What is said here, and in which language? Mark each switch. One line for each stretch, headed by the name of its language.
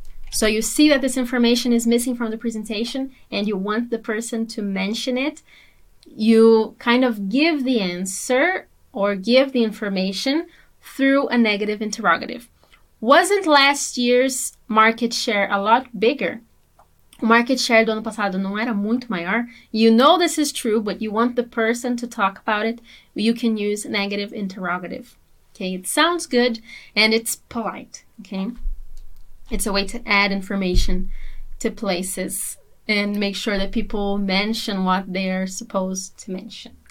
English: So you see that this information is missing from the presentation and you want the person to mention it. You kind of give the answer or give the information through a negative interrogative. Wasn't last year's market share a lot bigger?
Portuguese: O market share do ano passado não era muito maior.
English: You know this is true, but you want the person to talk about it. You can use negative interrogative. Okay, it sounds good and it's polite. Okay, it's a way to add information to places and make sure that people mention what they're supposed to mention.